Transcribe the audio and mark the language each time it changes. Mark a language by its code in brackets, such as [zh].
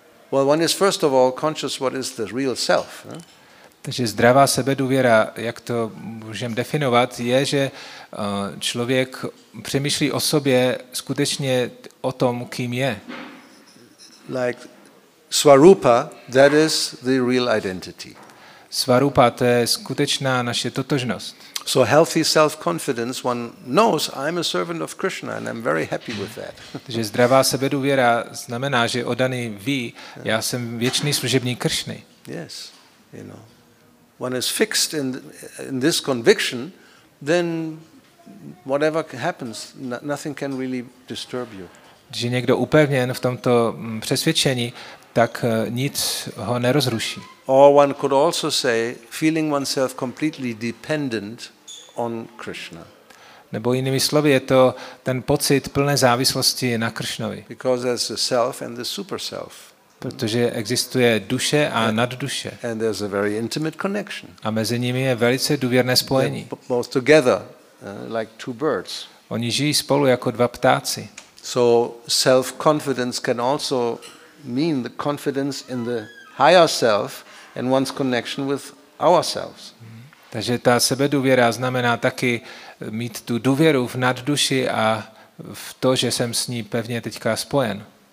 [en] Well, one is first of all conscious what is the real self. [cs] Takže zdravá sebedůvěra, jak to můžeme definovat, je, že člověk přemýšlí o sobě skutečně o tom, kým je. [en] Like Svarupa, that is the real identity. [cs] Svarupa, to je skutečná naše totožnost. [en] So healthy self-confidence, one knows I'm a servant of Krishna and I'm very happy with that. [cs] Takže zdravá sebedůvěra znamená, že oddaný ví, já jsem věčný služebník Kršny. [en] Yes, you know. One is fixed in this conviction, then whatever happens, nothing can really disturb you. [cs] Když je někdo upevněn v tomto přesvědčení, tak nic ho nerozruší. [en] Or one could also say feeling oneself completely dependent on Krishna. [cs] Nebo jinými slovy, je to ten pocit plné závislosti na Kršnovi. [en] Because there's the self and the super self. [cs] Protože existuje duše a nadduše. [en] And there's a very intimate connection. [cs] A mezi nimi je velice důvěrné spojení. [en] Both together, like two birds. [cs] Oni žijí spolu jako dva ptáci. [en] So self-confidence can also mean the confidence in the higher self and one's connection with ourselves. [cs] Takže ta sebedůvěra znamená taky mít tu důvěru v nadduši a v to, že jsem s ní pevně teďka spojen.